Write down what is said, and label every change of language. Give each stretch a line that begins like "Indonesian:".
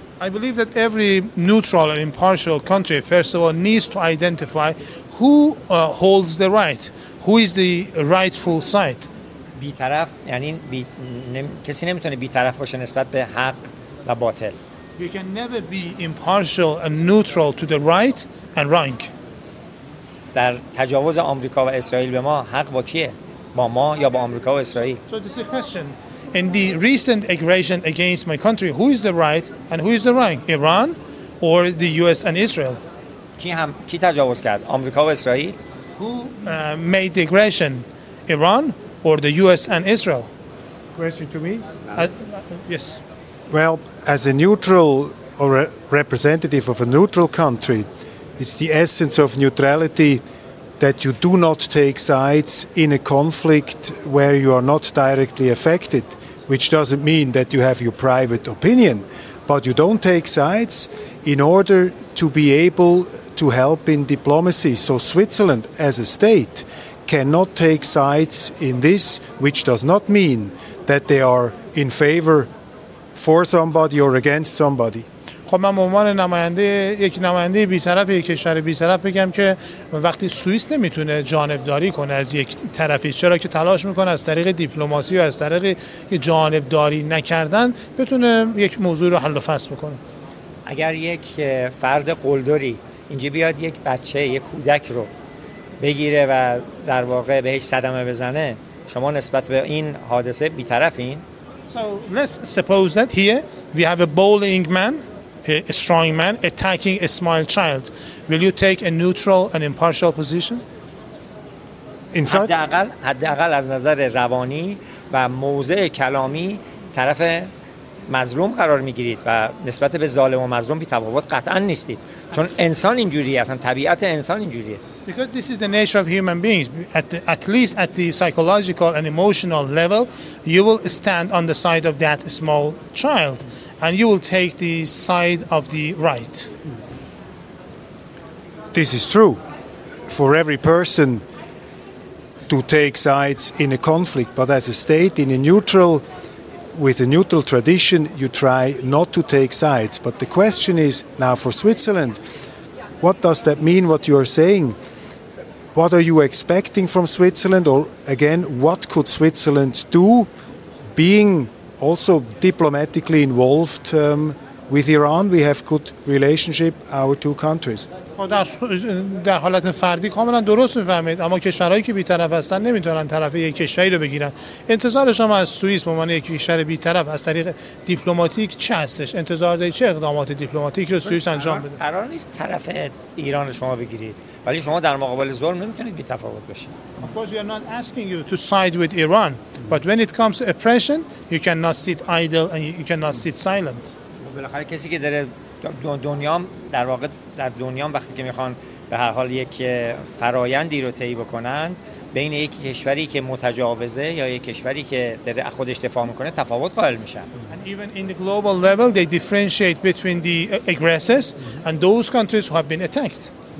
English: I believe that every neutral and impartial country first of all needs to identify who holds the right, who is the rightful side.
Persian: بی‌طرف یعنی کسی نمیتونه بی‌طرف باشه نسبت به حق و باطل.
English: You can never be impartial and neutral to the right and wrong.
Persian: در تجاوز آمریکا و اسرائیل به ما حق با کیه؟ با ما یا با آمریکا و اسرائیل؟
English: So this is a question. In the recent aggression against my country, who is the right and who is the wrong? Iran or the US and Israel?
Persian: کی تجاوز کرد؟ آمریکا و اسرائیل؟
English: Who made the aggression? Iran or the US and Israel? Question to me? Yes. Well, as a neutral or a representative of a neutral country, it's the essence of neutrality that you do not take sides in a conflict where you are not directly affected, which doesn't mean that you have your private opinion, but you don't take sides in order to be able to help in diplomacy. So Switzerland as a state cannot take sides in this, which does not mean that they are in favor for somebody or against somebody.
Persian: خب من به عنوان نماینده بی‌طرف یک کشور بی‌طرف بگم که وقتی سوئیس نمیتونه جانبداری کنه از یک طرفی، چرا که تلاش میکنه از طریق دیپلماسی و از طریق جانبداری نکردن بتونه یک موضوع رو حل و فصل بکنه. اگر یک فرد قلدری اینجا بیاد یک بچه یک کودک رو بگیره و در واقع بهش صدمه بزنه، شما نسبت به این حادثه بی‌طرفین؟
English: So let's suppose that here we have a bullying man, a strong man attacking a small child. Will you take a neutral and impartial position? Inside?
Persian: حداقل از نظر روانی و موضع کلامی طرف مظلوم قرار میگیرید و نسبت به ظالم و مظلوم بی تفاوت قطعا نیستید، چون انسان اینجوریه، اصلا طبیعت انسان اینجوریه.
English: Because this is the nature of human beings. At least at the psychological and emotional level, you will stand on the side of that small child and you will take the side of the right. This is true for every person to take sides in a conflict, but as a state in a neutral, with a neutral tradition, you try not to take sides. But the question is now for Switzerland, what does that mean, what you are saying? What are you expecting from Switzerland? Or again, what could Switzerland do, being also diplomatically involved With Iran, we have good relationship, our two countries.
Persian: در حالت فردی کاملا درست میفهمید، اما کشورهایی که بی‌طرف هستن نمیتونن طرف یک کشوری رو بگیرن. انتظار شما از سوئیس به عنوان یک کشور بی‌طرف از طریق دیپلماتیک چه هستش؟ انتظار دارید چه اقدامات دیپلماتیک رو سوئیس انجام بده؟ قرار نیست طرف ایران شما بگیرید، ولی شما در مقابل ظلم نمیتونید بی‌تفاوت بشید.
English: Of course we are not asking you to side with Iran, but when it comes to oppression, you cannot sit idle and you cannot sit silent.
Persian: بالاخره کسی که داره دنیام در واقع در دنیام وقتی که میخوان به هر حال یک فرایندی رو طی بکنند بین یک کشوری که متجاوزه یا یک کشوری که در خودش دفاع میکنه تفاوت قائل میشن.
English: And even in the global level they differentiate between the aggressors and those countries who have been attacked.